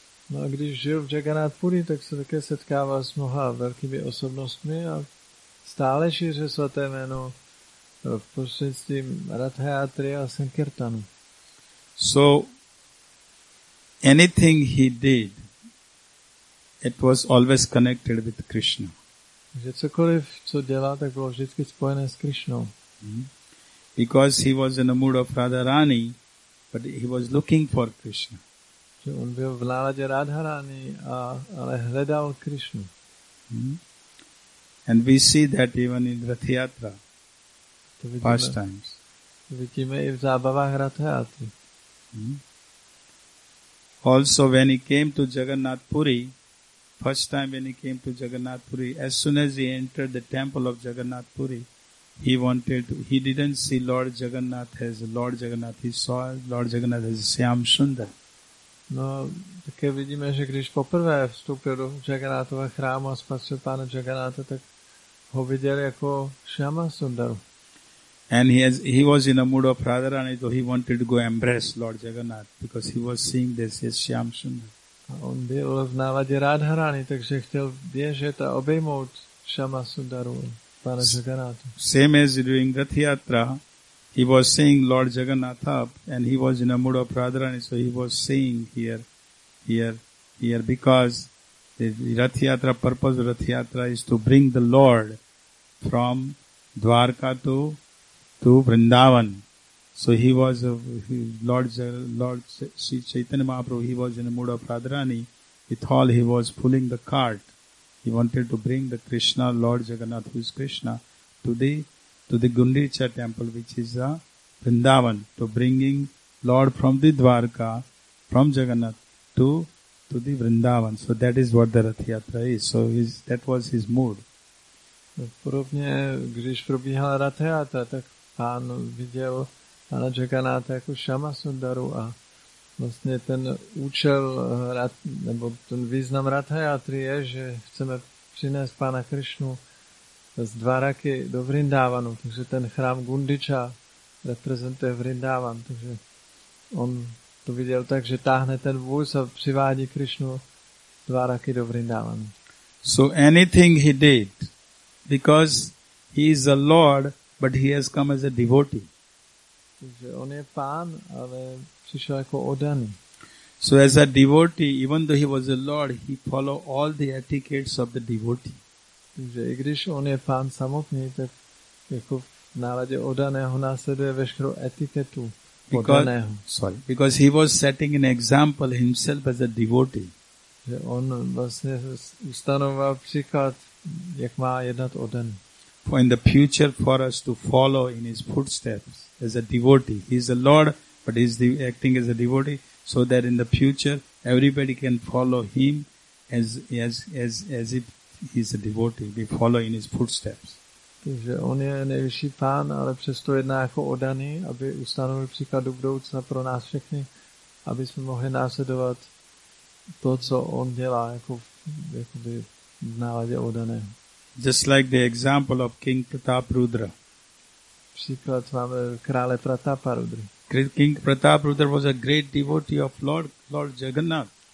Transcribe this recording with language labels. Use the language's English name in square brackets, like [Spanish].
[Czech] No a když žil v Jagannath Puri, tak se také setkával s mnoha velkými osobnostmi a stále šířil svaté jméno v prostřednictvím Radhayatry a Sankirtanu. [English] So, anything he did, it was always connected with Krishna. [Czech] Že cokoliv, co dělal, tak bylo vždycky spojené s Krishnou. [English] Because he was in the mood of Radharani, but he was looking for Krishna. [Czech] Že on byl v náladě Radharani, ale hledal Krishnu. [English] And we see that even in Rathyatra, past times. [Czech] vidíme i v zábavách Radhe-Ati. [English] Also when he came to Jagannath Puri, first time when he came to Jagannath Puri, as soon as he entered the temple of Jagannath Puri, he didn't see Lord Jagannath as Lord Jagannath. He saw Lord Jagannath as Syam Sundar. [Czech] No, také vidíme, že když poprvé vstoupil do Jagannathova chrámu a spatřil pána Jagannatha, tak ho viděl jako Shyama Sundaru. [English] And he was in a mood of Radharani, so he wanted to go embrace Lord Jagannath because he was seeing this as Shyam Sundar. [Czech] A on byl v návadě Radharani, takže chtěl běžet a obejmout Shyama Sundaru, pána Jagannatha. [English] Same as during Rath Yatra, he was seeing Lord Jagannath up and he was in a mood of Radharani, so he was seeing here, because the Rath Yatra, purpose of Rath Yatra is to bring the Lord from Dwarka to Vrindavan. So Lord Sri Chaitanya Mahaprabhu, he was in a mood of Radharani, with all he was pulling the cart. He wanted to bring the Krishna, Lord Jagannath, who is Krishna, to the Gundicha temple, which is Vrindavan, to bringing Lord from the Dwarka, from Jagannath, to the Vrindavan. So that is what the Rath Yatra is. So that was his mood. [Czech] Podobně, když probíhala Rath Yatra, tak pán viděl pana Jagannatha jako Shyama Sundaru a vlastně ten účel, nebo ten význam Rath Yatry je, že chceme přinést pána Krishnu z Dvaraky do Vrindavanu, takže ten chrám Gundicha reprezentuje Vrindavan, takže on to viděl tak, že táhne ten vůz a přivádí Krishnu z Dvaraky do Vrindavanu. [English] So anything he did, because he is a lord, but he has come as a devotee. [Czech] Takže on je pán, ale přišel jako oddaný. [English] So as a devotee, even though he was a lord, he followed all the etiquettes of the devotee. [Czech] Takže i když on je pán samotný, tak jako v náladě oddaného následuje veškerou etiketu oddaného. [English] Because he was setting an example himself as a devotee. [Czech] Že on vlastně ustanoval příklad, jak má jednat oddaný. [English] For in the future for us to follow in his footsteps as a devotee. He is a lord, but he is acting as a devotee, so that in the future everybody can follow him as if he is a devotee. We follow in his footsteps. [Czech] Takže on je nejvyšší pán, ale přesto jedná jako oddaný, aby ustanovil příklad do budoucna pro nás všechny, aby jsme mohli následovat to, co on dělá jako by v náladě oddaného. [English] Just like the example of King Pratap Rudra. [Czech] Příklad máme krále Pratapa Rudry. [English] King Pratap Rudra was a great devotee of Lord Jagannath.